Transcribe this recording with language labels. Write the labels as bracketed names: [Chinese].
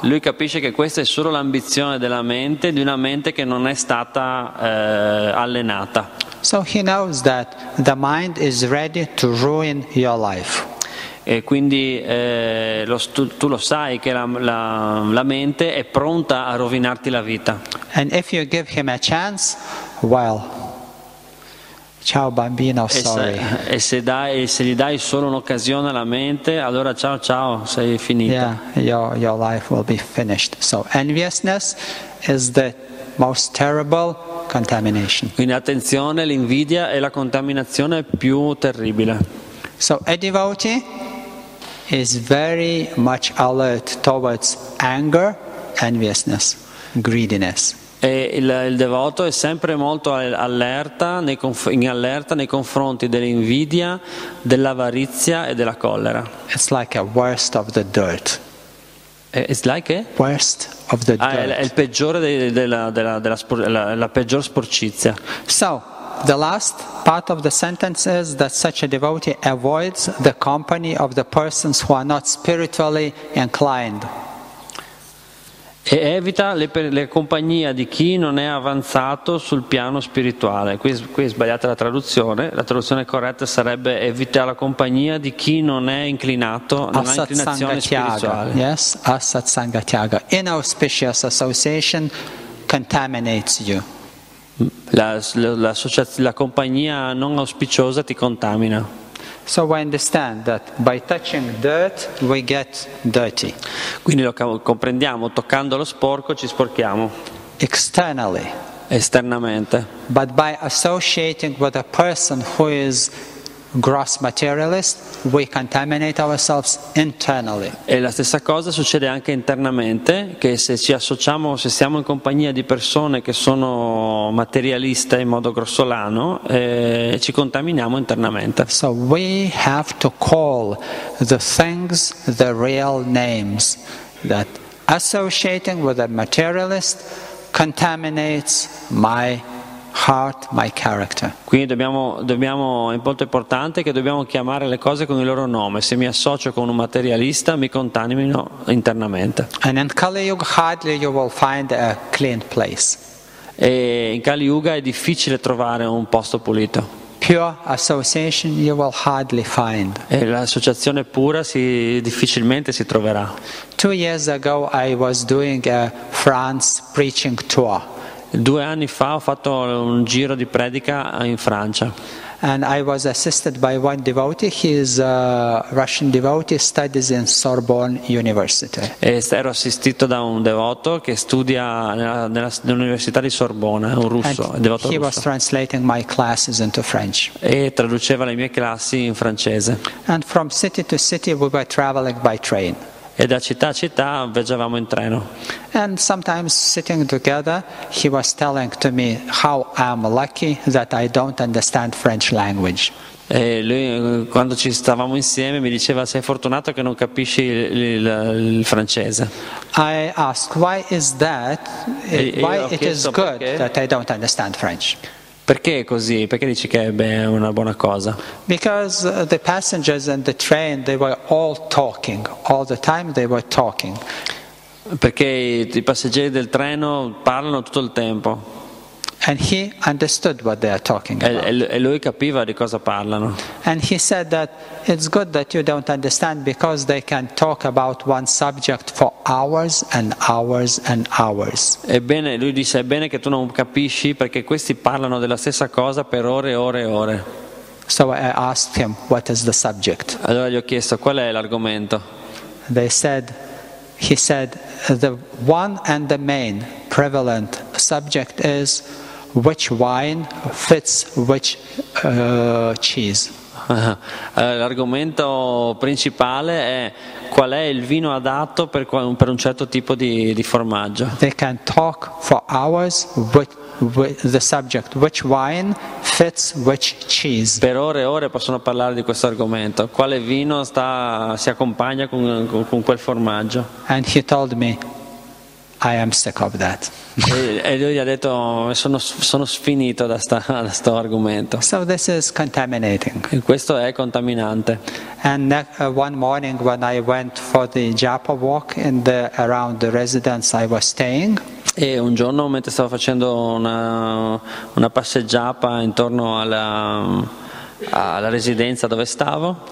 [Italian] Lui capisce che questa è solo l'ambizione della mente, di una mente che non è stata allenata. [English] So he knows that the mind is ready to ruin your life. [Italian] E quindi tu lo sai che la mente è pronta a rovinarti la vita. [English] And if you give him a chance, well, [Italian] ciao bambino, [English] sorry. [Italian] E se gli dai solo un'occasione alla mente, allora ciao, sei finito. [English] Yeah, your life will be finished. So enviousness is the most terrible contamination. [Italian] Quindi attenzione, l'invidia è la contaminazione più terribile. [English] So a devotee is very much alert towards anger, enviousness, greediness. [Italian] E il devoto è sempre molto in allerta nei confronti dell'invidia, dell'avarizia e della collera. [English] It's like a worst of the dirt. It's like a worst of the dirt. [Italian] Ah, è il peggiore della peggior sporcizia. [English] So the last part of the sentence is that such a devotee avoids the company of the persons who are not spiritually inclined. [Italian] E evita la compagnia di chi non è avanzato sul piano spirituale. Qui è sbagliata la traduzione. La traduzione corretta sarebbe evita la compagnia di chi non è inclinato, non ha inclinazione spirituale. [English] Yes, asat sangha tyaga. Inauspicious association contaminates you. [Italian] La compagnia non auspiciosa ti contamina. [English] So we understand that by touching dirt we get dirty. [Italian] Quindi lo comprendiamo, toccando lo sporco ci sporchiamo. [English] Externally. [Italian] Esternamente. [English] But by associating with a person who is gross materialist, we contaminate ourselves internally. [Italian] E la stessa cosa succede anche internamente, che se ci associamo, se siamo in compagnia di persone che sono materialiste in modo grossolano, ci contaminiamo internamente. [English] So we have to call the things the real names, that associating with a materialist contaminates my heart, my character. [Italian] Quindi dobbiamo è molto importante che dobbiamo chiamare le cose con il loro nome. Se mi associo con un materialista, mi contamino internamente. [English] And in Kali Yuga hardly you will find a clean place. [Italian] E in Kali Yuga è difficile trovare un posto pulito. [English] Pure association you will hardly find. [Italian] E l'associazione pura difficilmente si troverà. [English] 2 years ago I was doing a France preaching tour. [Italian] 2 anni fa ho fatto un giro di predica in Francia. [English] And I was assisted by one devotee. He is a Russian devotee, studies in Sorbonne University. [Italian] E ero assistito da un devoto che studia nell'università di Sorbona, un russo, [English] and [Italian] devoto [English] he [Italian] russo. [English] Was translating my classes into French. [Italian] E traduceva le mie classi in francese. [English] And from city to city we were traveling by train. [Italian] E da città a città viaggiavamo in treno. [English] And sometimes sitting together he was telling to me how I'm lucky that I don't understand French language. [Italian] E lui quando ci stavamo insieme mi diceva sei fortunato che non capisci il francese. [English] I ask why is that? Why it is good that I don't understand French? [Italian] Perché è così? Perché dici che è una buona cosa? [English] Because the passengers and the train they were all talking all the time, they were talking. [Italian] Perché i passeggeri del treno parlano tutto il tempo. [English] And he understood what they are talking about. [Italian] E lui capiva di cosa parlano. [English] And he said that it's good that you don't understand because they can talk about one subject for hours and hours and hours. [Italian] Ebbene, lui disse, è bene che tu non capisci perché questi parlano della stessa cosa per ore e ore e ore. [English] So I asked him, what is the subject? [Italian] Allora gli ho chiesto, qual è l'argomento? [English] He said, the one and the main prevalent subject is which wine fits which cheese. [Italian] L'argomento principale è qual è il vino adatto per un certo tipo di formaggio. [English] They can talk for hours with the subject which wine fits which cheese. [Italian] Per ore e ore possono parlare di questo argomento. Quale vino si accompagna con quel formaggio? [English] And he told me, I am sick of that. [Italian] E lui gli ha detto, sono sfinito da sto argomento. [English] So this is contaminating. [Italian] E questo è contaminante. [English] And one morning when I went for the Japa walk in the around the residence I was staying. [Italian] E un giorno mentre stavo facendo una passeggiata intorno alla residenza dove stavo.